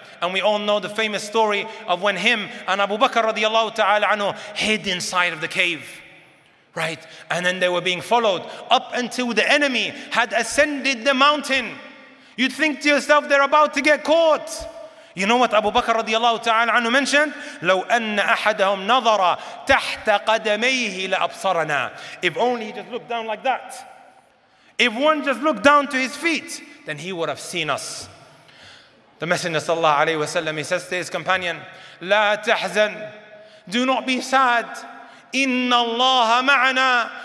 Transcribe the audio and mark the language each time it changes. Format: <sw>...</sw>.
<en>And we all know the famous story of when him and Abu Bakr radiallahu ta'ala anhu hid inside of the cave, right? And then they were being followed up until the enemy had ascended the mountain. You'd think to yourself, they're about to get caught. You know what Abu Bakr radiallahu ta'ala anhu mentioned?</en> <ar>لو أن أحدهم نظر تحت قدميه لأبصرنا.</ar> <en>If only he just looked down like that. If one just looked down to his feet, then he would have seen us. The Messenger sallallahu alayhi wa sallam, he says to his companion,</en> <ar>لا تحزن.</ar> <en>Do not be sad.</en> <ar>إن الله معنا.</ar>